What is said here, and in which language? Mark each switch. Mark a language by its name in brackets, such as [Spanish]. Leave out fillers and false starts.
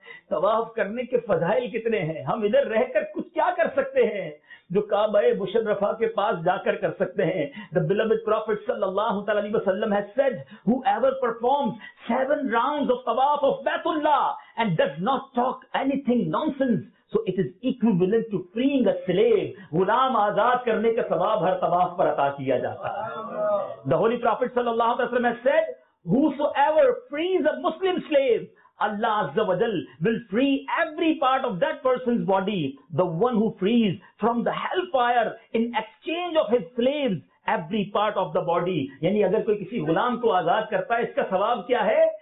[Urdu] طواف کرنے کے فضائل کتنے ہیں، ہم ادھر رہ کر کچھ کیا کر سکتے ہیں جو کعبہ مشرفہ کے پاس جا کر کر سکتے ہیں. [English] The beloved Prophet صلی اللہ علیہ وسلم has said whoever performs 7 rounds of tawaf of Baitullah and does not talk anything nonsense, so it is equivalent to freeing a slave. [Urdu] Ghulam آزاد کرنے کا ثواب ہر طواف پر عطا کیا جاتا ہے. [English] The Holy Prophet صلی اللہ علیہ وسلم has said whosoever frees a Muslim slave, Allah Azza wa Jal will free every part of that person's body. The one who frees from the hellfire in exchange of his slaves, every part of the body. [Urdu] یعنی اگر کوئی کسی غلام کو آزاد کرتا ہے اس کا ثواب کیا ہے؟